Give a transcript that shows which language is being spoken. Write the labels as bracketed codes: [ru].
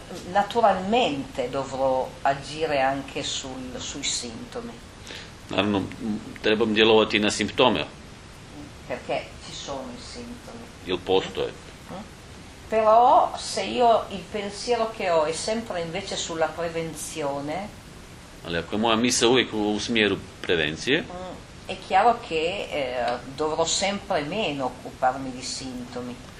[it] Naturalmente dovrò agire anche sui sintomi. [hr] Naravno, trebam djelovati na simptome. [it] Perché ci sono i sintomi. Il posto è. Però se io il pensiero che ho è sempre invece sulla prevenzione. [hr] Ali ako je moja misa uvijek u smjeru prevencije. [it] È chiaro che dovrò sempre meno occuparmi di sintomi.